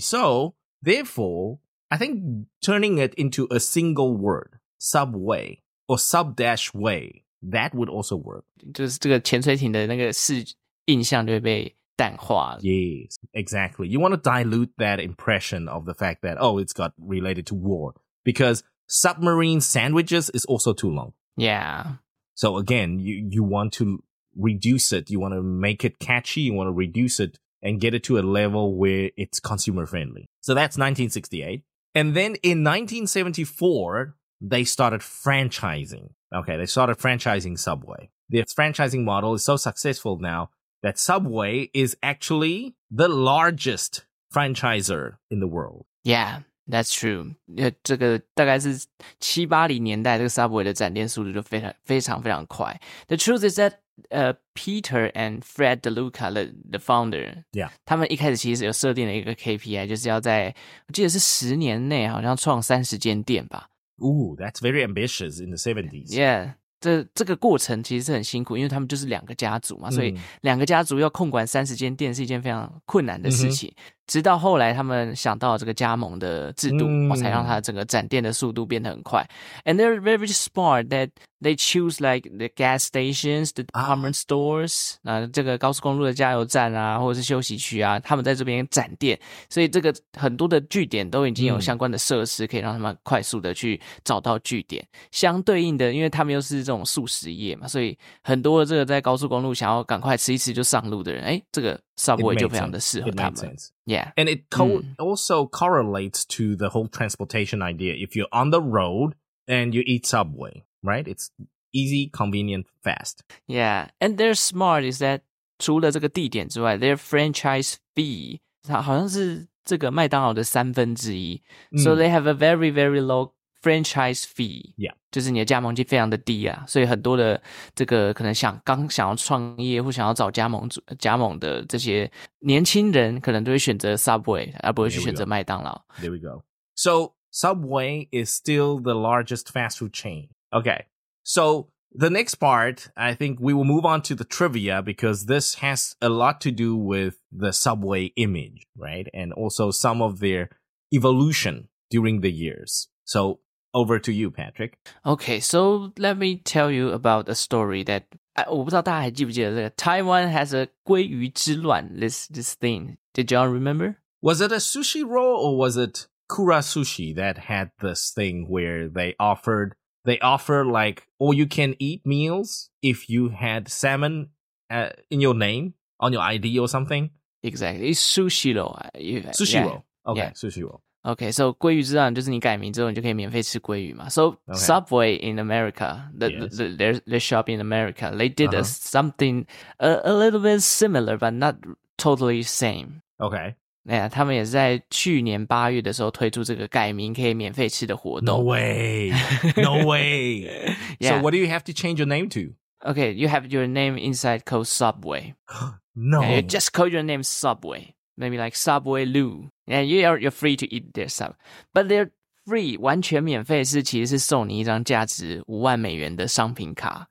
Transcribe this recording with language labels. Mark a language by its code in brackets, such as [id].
[en] So therefore, I think turning it into a single word, subway or sub-way, that would also work. [zh] 就是这个潜水艇的那个印象就会被淡化. [en] Yes, exactly. You want to dilute that impression of the fact that, oh, it's got related to war. Because submarine sandwiches is also too long. Yeah. So again, you want to reduce it. You want to make it catchy. You want to reduce it and get it to a level where it's consumer friendly. So that's 1968. And then in 1974, they started franchising. Okay, they started franchising Subway. Their franchising model is so successful now that Subway is actually the largest franchisor in the world. Yeah, that's true. [zh] 这个大概是七八零年代，这个 Subway 的展店速度就非常非常非常快。 [en] The truth is that, Peter and Fred DeLuca, the founder, yeah, [zh] 他们一开始其实有设定了一个 KPI, 就是要在我记得是十年内好像创三十间店吧。 [en] Ooh, that's very ambitious in the 70s. Yeah. [zh] 这个过程其实是很辛苦，因为他们就是两个家族嘛，所以两个家族要控管三十间店是一件非常困难的事情。直到后来他们想到这个加盟的制度，才让他整个展店的速度变得很快。 [en] And they're very smart that they choose like the gas stations, the department stores, [zh] 这个高速公路的加油站啊，或者是休息区啊，他们在这边展店，所以这个很多的据点都已经有相关的设施，可以让他们快速的去找到据点。相对应的，因为他们又是这种速食业嘛，所以很多这个在高速公路想要赶快吃一吃就上路的人，这个Subway 就非常的适合他们。 [en] It makes sense. Yeah. And it also correlates to the whole transportation idea. If you're on the road and you eat Subway, right? It's easy, convenient, fast. Yeah. And they're smart is that [zh] 除了这个地点之外 [en] their franchise fee [zh] 它好像是这个麦当劳的三分之一。 [en] So they have a very, very low franchise fee. Yeah. [zh] 就是你的加盟金非常的低啊，所以很多的这个可能想刚想要创业或想要找加盟的这些年轻人可能都会选择 Subway 而不会去选择麦当劳。 [en] There we go. So Subway is still the largest fast food chain. Okay. So the next part, I think we will move on to the trivia because this has a lot to do with the Subway image, right? And also some of their evolution during the years. So,Over to you, Patrick. Okay, so let me tell you about a story that... [zh] 我不知道大家还记不记得这个 [en] Taiwan has a [zh] 鲑鱼之乱 [en] this thing. Did y'all remember? Was it a sushi roll or was it Kura Sushi that had this thing where they offer like all-you-can-eat meals if you had salmon in your name, on your ID or something? Exactly, it's sushi roll. Sushi roll, okay, yeah. Sushi roll. Okay, so [zh] 鲑鱼之乱就是你改名之后你就可以免费吃鲑鱼嘛。So, [en] okay. Subway in America, their shop in America, they did something a little bit similar, but not totally same. Okay. [zh] Yeah, 他们也在去年八月的时候推出这个改名可以免费吃的活动。 [en] No way! No way! 、 yeah. So what do you have to change your name to? Okay, you have your name inside called Subway. No! And you just call your name Subway. Maybe like Subway Lou. And you're free to eat their sub. But they're free, [zh] 完全免费是其实是送你一张价值$50,000的商品卡。